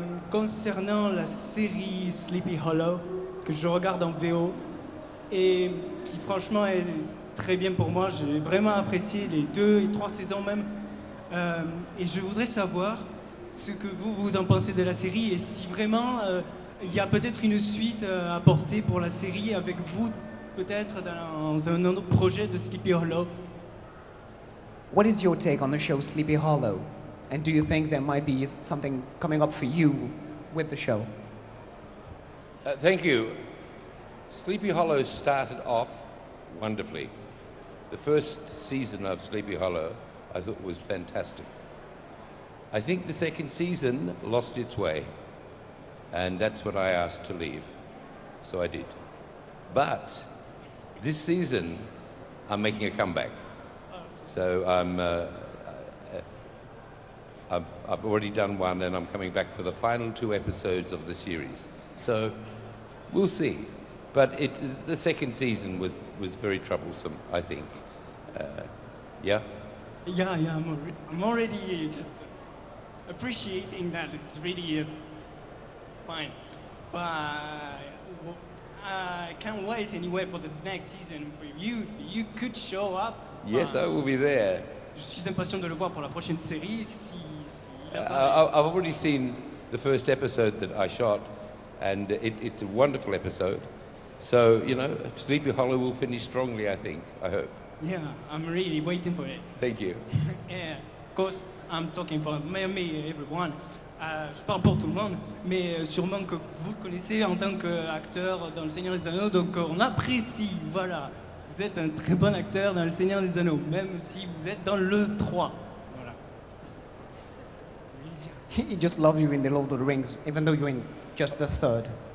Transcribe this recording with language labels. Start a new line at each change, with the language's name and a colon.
French: Concernant la série Sleepy Hollow, que je regarde en VO, et qui franchement est très bien pour moi, j'ai vraiment apprécié les deux et trois saisons même. Et je voudrais savoir ce que vous en pensez de la série, et si vraiment il y a peut-être une suite à porter pour la série avec vous, peut-être dans un autre projet de Sleepy Hollow.
English: What is your take on the show Sleepy Hollow? And do you think there might be something coming up for you with the show? Thank you. Sleepy Hollow started off wonderfully. The first season of Sleepy Hollow, I thought was fantastic. I think the second season lost its way. And that's when I asked to leave. So I did. But this season, I'm making a comeback. So I've already done one, and I'm coming back for the final two episodes of the series. So we'll see. But the second season was very troublesome, I think. Yeah? Yeah, I'm already just appreciating that it's really fine. But I can't wait anyway for the next season. You could show up. Yes, I will be there.
French: Je suis impatient de le voir pour la prochaine série.
English: I've already seen the first episode that I shot, and it's a wonderful episode. So, you know, Sleepy Hollow will finish strongly, I think, I hope. Yeah, I'm really waiting for it. Thank you. Yeah, of course, I'm talking for me, everyone.
French: Je parle pour tout le monde, mais sûrement que vous le connaissez en tant qu'acteur dans Le Seigneur des Anneaux, donc on apprécie, voilà. Vous êtes un très bon acteur dans Le Seigneur des Anneaux, même si vous êtes dans le 3. Voilà.
English: He just loves you in The Lord of the Rings, even though you're in just the third.